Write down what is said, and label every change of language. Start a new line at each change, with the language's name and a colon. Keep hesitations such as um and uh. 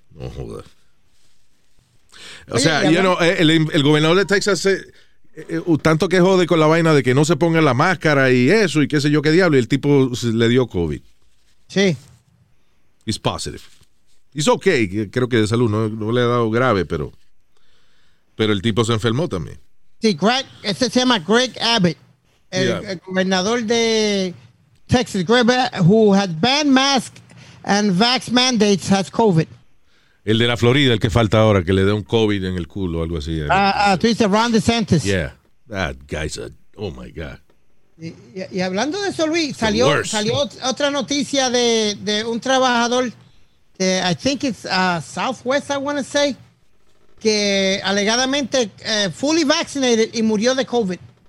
Spanish: No jodas. O sí. sea,
English: you know,
Spanish: el, el, gobernador de Texas, se, eh, uh, tanto que jode con la vaina de que no se ponga la máscara y eso y qué sé yo qué diablo, y el tipo se, le dio COVID. Sí.
English: It's positive. It's okay,
Spanish: creo que de salud, no, no, le ha dado grave, pero. Pero el tipo se enfermó también. Sí, Greg, ese se llama Greg Abbott el,
English: yeah.
Spanish: gobernador de Texas,
English: Grebe, who had banned masks and vax mandates, has COVID.
Spanish: El de la Florida, el que falta ahora, que le dé un COVID en el culo o algo así. Ah, tú dices Ron DeSantis.
English: Yeah, that guy's a, oh my God.
Spanish: Y, y, y hablando de eso, Luis, salió, salió, otra noticia de, de un trabajador, de,
English: I think it's uh, Southwest, I want to say,
Spanish: que alegadamente uh,
English: fully vaccinated
Spanish: y murió de COVID.